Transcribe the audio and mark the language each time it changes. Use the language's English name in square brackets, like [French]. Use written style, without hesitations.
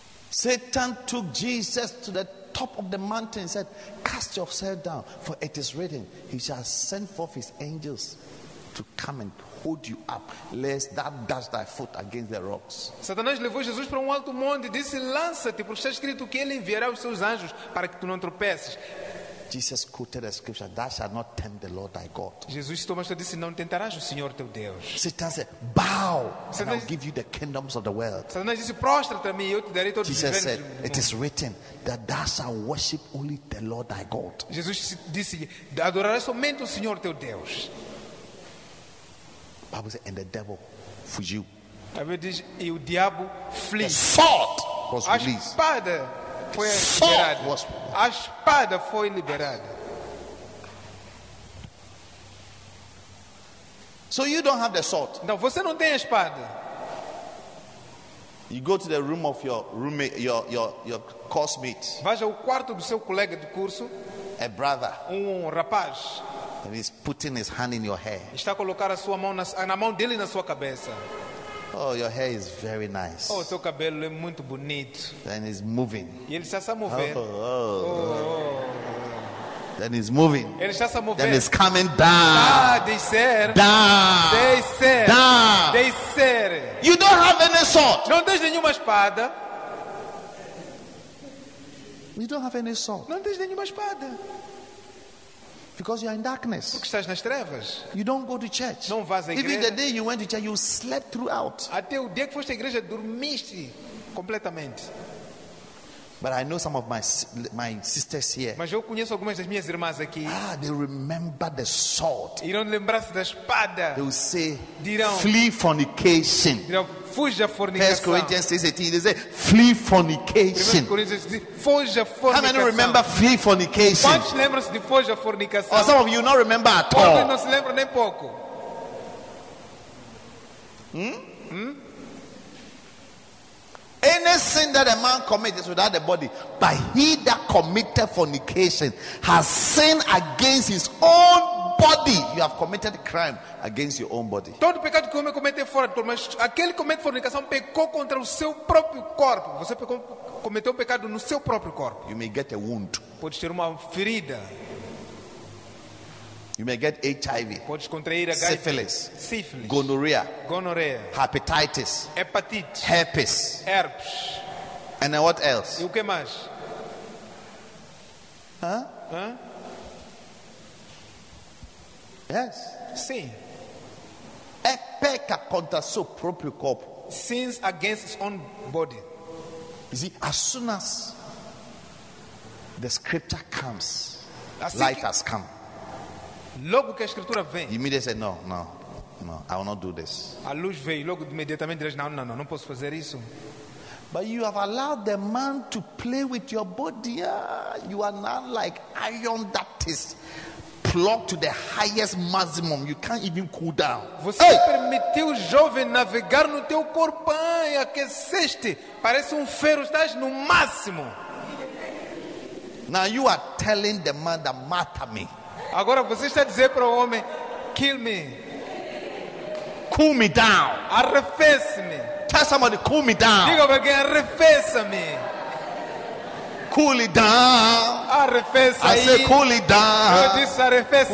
[English] Satan took Jesus to the top of the mountain and said, "Cast yourself down, for it is written, he shall send forth his angels to come and hold you up, lest thou dash thy foot against the rocks." [Portuguese] Satanás levou Jesus para um alto monte e disse, "Lança-te, porque está escrito que ele enviará os seus anjos para que tu não tropeces." [English] Jesus quoted a scripture, "Thou shalt not tempt the Lord thy God." [Portuguese] Jesus tomou e disse, "Não tentarás o Senhor teu Deus." [English] Satan said, "Bow, and I'll give you the kingdoms of the world." [Portuguese] Satanás disse, "Prostra-te a mim e eu te darei todos os reinos." [English] Jesus said, "It is written that thou shalt worship only the Lord thy God." [Portuguese] Jesus disse, "Adorarás somente o Senhor teu Deus." [English] Bible said, "And the devil fugiu." [Portuguese] A Bíblia diz, "E o diabo fugiu." [English] The sword was released. [Portuguese] A espada foi liberada. A espada foi liberada. [English] So you don't have the sword. [Portuguese] Não, você não tem a espada. [English] You go to the room of your roommate, your course mate. [Portuguese] Vai ao quarto do seu colega de curso. [English] A brother. [Portuguese] Um rapaz. [English] And he's putting his hand in your hair. [Portuguese] Está a colocar a sua mão na mão dele na sua cabeça. [English] Oh, your hair is very nice. [Portuguese] Oh, seu cabelo é muito bonito. [English] And he's moving. [Portuguese] E ele está a mover. [English] Then he's moving. [Portuguese] Ele está a mover. [English] Then he's coming down. [Portuguese] Descer. [English] You don't have any sword. [Portuguese] Não tens nenhuma espada. [English] You don't have any sword. [Portuguese] Não tens nenhuma espada. [English] Because you are in darkness. [Portuguese] Porque estás nas trevas. [English] You don't go to church. [Portuguese] Não vais à igreja. [English] Even the day you went to church, you slept throughout. [Portuguese] Até o dia que foste à igreja, dormiste completamente. [English] But I know some of my sisters here. [Portuguese] Mas eu conheço algumas das minhas irmãs aqui. [English] Ah, they remember the sword. [Portuguese] Irão lembrar-se da espada. [English] They will say, [Portuguese] dirão, [English] flee fornication. [Portuguese] Dirão, fuja fornicação. [English] 1 Corinthians 6:18, they say, flee fornication. [Portuguese] 1 Corinthians diz, fuja fornicação. [English] How many remember flee fornication? [Portuguese] Quantos lembram-se de fuja fornicação? [English] Or some of you not remember at all. [Portuguese] Alguns não se lembram nem pouco. [English] Any sin that a man commits is without the body, but he that committed fornication has sinned against his own body. You have committed crime against your own body. [Portuguese] Todo pecado que o homem comete fora do corpo, mas aquele que comete fornicação pecou contra o seu próprio corpo. Você cometeu um pecado no seu próprio corpo. [English] You may get a wound. [Portuguese] Pode ter uma ferida. [English] You may get HIV, syphilis, gonorrhea, hepatitis, [Portuguese] hepatite, [English] herpes. And then what else? [Portuguese] E o que mais? [English] Yes. [Portuguese] Sim. É peca contra seu próprio corpo. [English] Sins against his own body. You see, as soon as the scripture comes, [Portuguese] assim [English] light [Portuguese] que... [English] has come. [Portuguese] Logo que a escritura vem. [English] Immediately said, no, I will not do this. [Portuguese] A luz veio logo imediatamente diz, não posso fazer isso. [English] But you have allowed the man to play with your body. You are not like iron that is plugged to the highest maximum. You can't even cool down. [Portuguese] Você permitiu o jovem navegar no teu corpo e aqueceste. Parece um ferro, estás no máximo. [English] Now you are telling the man that matter me. [Portuguese] Agora você está a dizer para o homem, [English] kill me. Cool me down. [Portuguese] Arrefece-me. [English] Tell somebody, cool me down. [Portuguese] Diga para alguém, arrefeça-me. [English] Cool it down. [Portuguese] Arrefece [English] aí. I say, cool it down. [Portuguese] Eu disse, arrefece